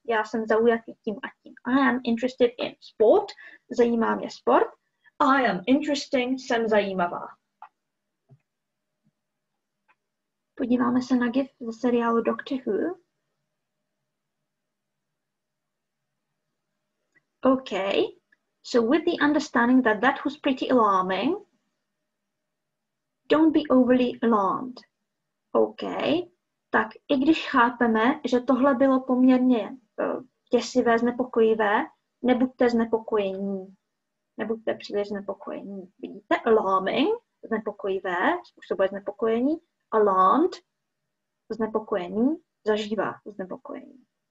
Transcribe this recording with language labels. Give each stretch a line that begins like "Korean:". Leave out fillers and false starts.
Czech: Já jsem zaujatý tím a tím. I am interested in sport, zajímá mě sport.
English: I am interesting, jsem zajímavá.
Czech: Podíváme se na GIF ze seriálu Doctor Who.
English: OK, so with the understanding that that was pretty alarming, don't be overly alarmed. OK.
Czech: Tak i když chápeme, že tohle bylo poměrně děsivé, znepokojivé, nebuďte znepokojení. Nebuďte příliš znepokojení. Vidíte? Alarming, znepokojivé, způsobuje znepokojení. Alarmed, znepokojení, zažívá znepokojení.